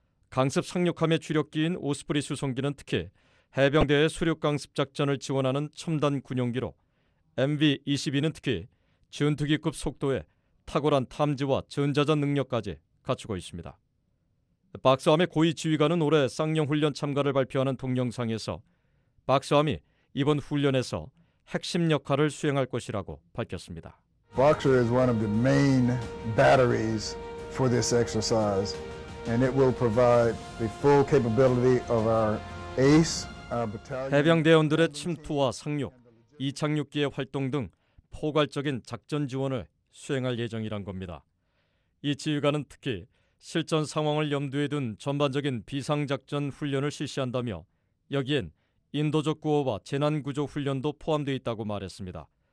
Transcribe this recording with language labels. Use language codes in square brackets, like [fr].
[ko] 강습 상륙함의 주력기인 오스프리 수송기는 특히 해병대의 수륙 강습 작전을 지원하는 첨단 군용기로 MV-22는 특히 전투기급 속도에 탁월한 탐지와 전자전 능력까지 갖추고 있습니다. 박스함의 고위 지휘관은 올해 쌍용훈련 참가를 발표하는 동영상에서 박스함이 이번 훈련에서 핵심 역할을 수행할 것이라고 밝혔습니다. [en] Boxer is one of the main batteries for this exercise and it will provide the full capability of our ace our battalion. [ko] 해병 대원들의 침투와 상륙, 이착륙기의 활동 등 포괄적인 작전 지원을 수행할 예정이란 겁니다. 이 지휘관은 특히 실전 상황을 염두에 둔 전반적인 비상 작전 훈련을 실시한다며 여기엔 인도적 구호와 재난구조 훈련도 포함되어 있다고 말했습니다.